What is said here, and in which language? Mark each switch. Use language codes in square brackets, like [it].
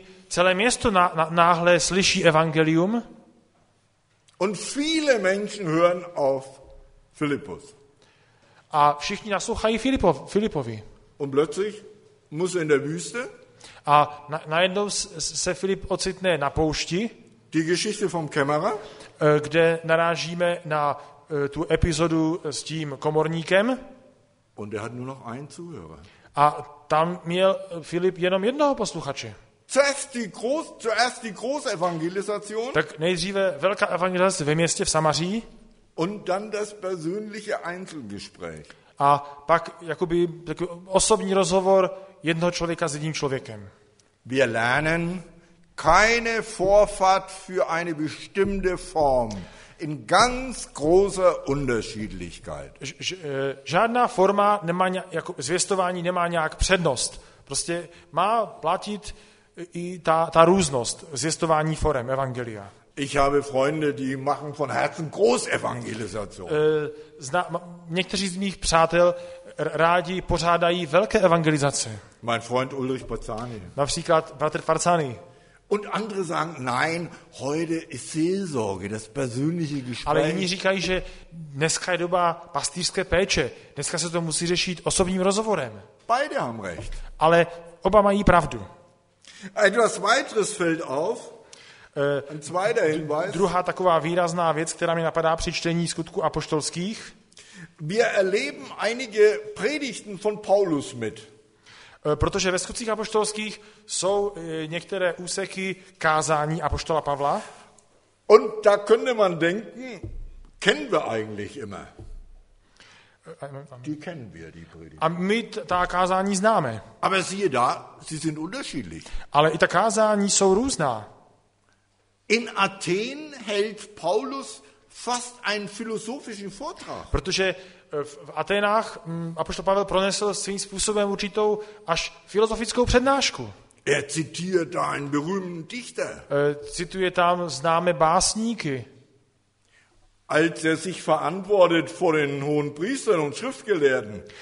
[cs] Celé město náhle slyší evangelium. [de] Und viele Menschen hören auf Philippus. [cs] A všichni naslouchají Filipovi. [de] Und plötzlich muss er in der Wüste. [cs] A najednou se Filip ocitne na poušti. [de] Die Geschichte vom Kämmerer. [cs] Kde narážíme na tu epizodu s tím komorníkem. [de] Und er hat nur noch einen Zuhörer. [cs] A tam měl Filip jenom jednoho posluchače. [de] Zuerst die große Evangelisation. [cs] Tak nejdříve velká evangelizace ve městě v Samaří. [de] Und dann das persönliche Einzelgespräch. [cs] A pak jakoby takový osobní rozhovor jednoho člověka s jedním člověkem. [de] Wir lernen, keine Vorfahrt für eine bestimmte Form. In ganz großer Unterschiedlichkeit. [cs] Žádná forma nemá jako zvěstování nemá nějak přednost. Prostě má platit i ta různost zvěstování forem evangelia. [de] Ich habe Freunde, die machen von Herzen Großevangelisation. [cs] Někteří z mých přátel rádi pořádají velké evangelizace. [de] Mein Freund Ulrich Barzani. [cs] Například bratr Barzani. [de] Und andere sagen, nein, heute ist Seelsorge, das persönliche Gespräch. [cs] Ale jiní říkají, že dneska je doba pastýřské péče. Dneska se to musí řešit osobním rozhovorem. [de] Beide haben recht. [cs] Ale oba mají pravdu. [de] Etwas weiteres fällt auf. Ein zweiter Hinweis. [cs] Druhá taková výrazná věc, která mi napadá při čtení skutků apoštolských. [de] Wir erleben einige Predigten von Paulus mit. [cs] Protože ve skutcích apoštolských jsou některé úseky kázání apoštola Pavla. [de] Und da könnte man denken, kennen wir eigentlich immer. Die kennen wir, die Predigten. [cs] A my ta kázání známe. [de] Aber siehe da, sie sind unterschiedlich. [cs] Ale i ta kázání jsou různá. [de] In Athen hält Paulus fast einen philosophischen Vortrag. [cs] Protože v Athénách apoštol Pavel pronesl svým způsobem určitou až filozofickou přednášku. [de] Er zitiert einen berühmten Dichter. [cs] Cituje tam známé básníky. [de] Als er sich verantwortet vor den hohen Priestern und Schriftgelehrten.